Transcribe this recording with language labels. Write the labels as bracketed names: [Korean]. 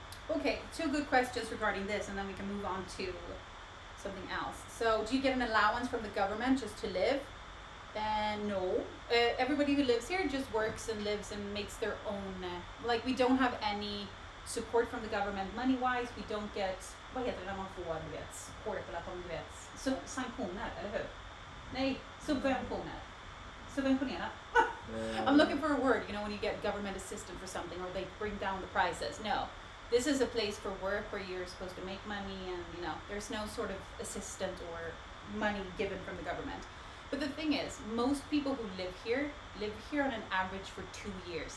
[English] Okay, two good questions regarding this, and then we can move on to something else. So, do you get an allowance from the government just to live? No. Everybody who lives here just works and lives and makes their own. Like, we don't have any support from the government money-wise. We don't get... [Swedish] Vad heter det när man får, du vet? Support eller att man vet? Sanktioner, eller hur? Nej, subventioner. Subventionera. [English] I'm looking for a word, you know, when you get government assistance for something or they bring down the prices. No. This is a place for work where you're supposed to make money and, you know, there's no sort of assistance or money given from the government. But the thing is, most people who live here on an average for 2 years.